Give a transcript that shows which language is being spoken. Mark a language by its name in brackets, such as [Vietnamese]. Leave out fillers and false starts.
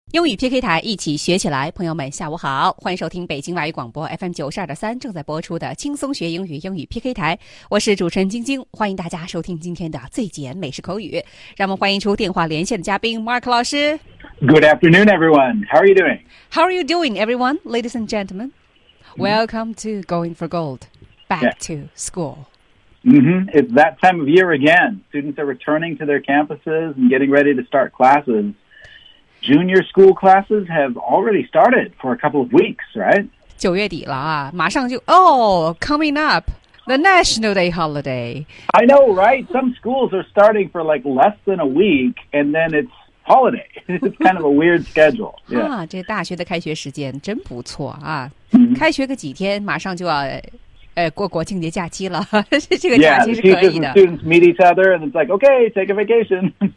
[Chinese] 英语 PK 台一起学起来，朋友们下午好，欢迎收听北京外语广播 FM92.3 正在播出的轻松学英语英语 PK 台，我是主持人晶晶，欢迎大家收听今天的最简美式口语，让我们欢迎出电话连线的嘉宾 Mark 老师。 [English] Good afternoon everyone, how are you doing? How are you doing everyone, ladies and gentlemen? Welcome to Going for Gold, back to school. It's that time of year again, students are returning to their campuses and getting ready to start classesJunior school classes have already started for a couple of weeks, right? [Chinese] 九月底了啊，马上就 [English] coming up, the National Day holiday. I know, right? Some schools are starting for like less than a week, and then it's holiday. It's kind of a weird schedule. Yeah. [Chinese] 这大学的开学时间真不错啊！开学个几天，马上就要过国庆节假期了，这个假期是可以的。 [English] Yeah, teachers and students meet each other, and it's like, okay, take a vacation.